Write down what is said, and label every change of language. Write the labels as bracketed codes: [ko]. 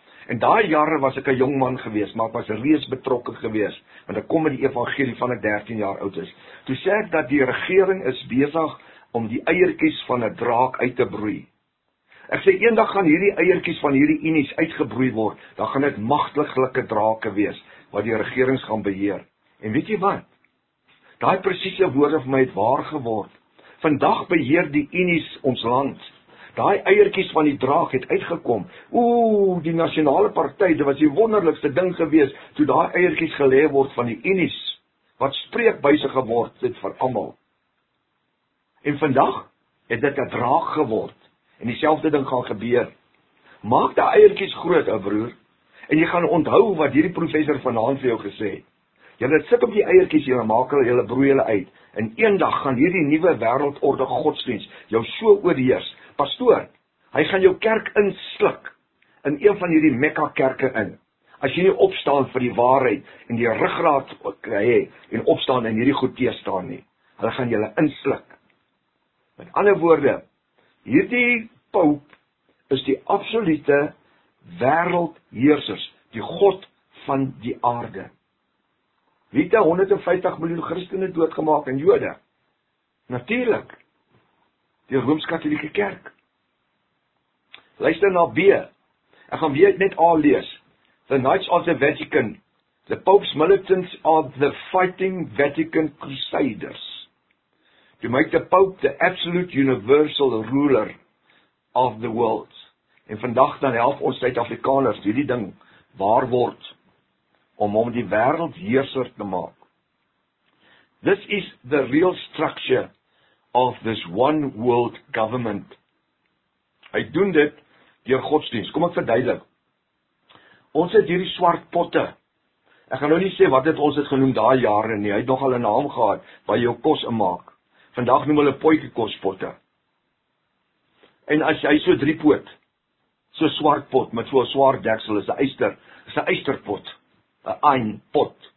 [af] En daai jare was ek 'n jong man gewees, maar ek was reeds betrokke gewees, want ek kom met die evangelie van 'n 13 jaar oud is. Toe sê ek dat die regering is besig om die eiertjies van 'n draak uit te broei. Ek sê eendag gaan hierdie eiertjies van hierdie inies uitgebroei word, dan gaan dit magtiglike drake wees wat die regerings gaan beheer. En weet jy wat? Daai presiese woorde van my het waar geword. Vandag beheer die inies ons land. Daai eiertjies van die draak het uitgekom. Ooh, die nasionale party, dit was die wonderlikste ding gewees, toe daai eiertjies gelê word van die inies, wat spreekbuise geword het vir almal. En vandag het dit 'n draak geword, en dieselfde ding gaan gebeur. Maak die eiertjies groot, ou broer, en jy gaan onthou wat hierdie professor vanaand vir jou gesê het. Julle sit op die eiertjies, julle maak hulle, julle broei hulle uit, en eendag gaan hierdie nuwe wêreldorde godsdienst jou so oorheers. Pastoor, hy gaan jou kerk insluk in een van hierdie Mekka kerke in. As jy nie opstaan vir die waarheid en die ruggraat hê en opstaan en hierdie goed teestaan nie, hulle gaan julle insluk. Met ander woorde, hierdie Pope is die absolute wêreldheersers, die God van die aarde. Wie het 150 miljoen Christene doodgemaak en Jode? Natuurlik, die Rooms-Katholieke Kerk. Luister na B. Ek gaan weer net A lees. [en] The Knights of the Vatican. The Pope's militants are the fighting Vatican crusaders. To make the Pope the absolute universal ruler of the world. [af] En vandag dan help ons Suid-Afrikaners die ding waar word om hom die wêreldheerser te maak. [en] This is the real structure of this one world government. [af] Hy doen dit deur godsdienst. Kom ek verduidelik. Ons het hierdie swart potte. Ek gaan nou nie sê wat het ons het genoem daai jare nie. Hy het nogal 'n naam gehad waar jy jou kos inmaak. Vandag noem hulle potjie kospotte. En as jy so drie poot, so swart pot met so 'n swart deksel, is 'n ysterpot, 'n een pot.